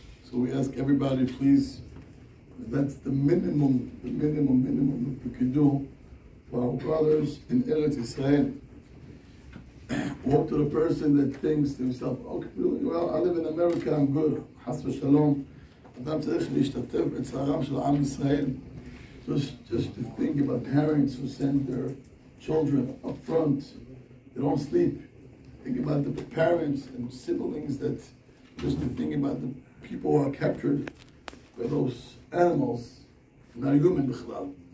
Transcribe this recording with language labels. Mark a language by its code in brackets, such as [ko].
[en] So we ask everybody, please, that's the minimum that we can do for our brothers in Eretz Yisrael. Walk to the person that thinks to himself, okay, well, I live in America, I'm good. [he] Chas v'shalom. אדם צריך להשתתף בצערם של עם ישראל. [en] Just to think about parents who send their children up front. They don't sleep. Think about the parents and siblings that, just to think about the people who are captured by those animals. Not human, בכלל.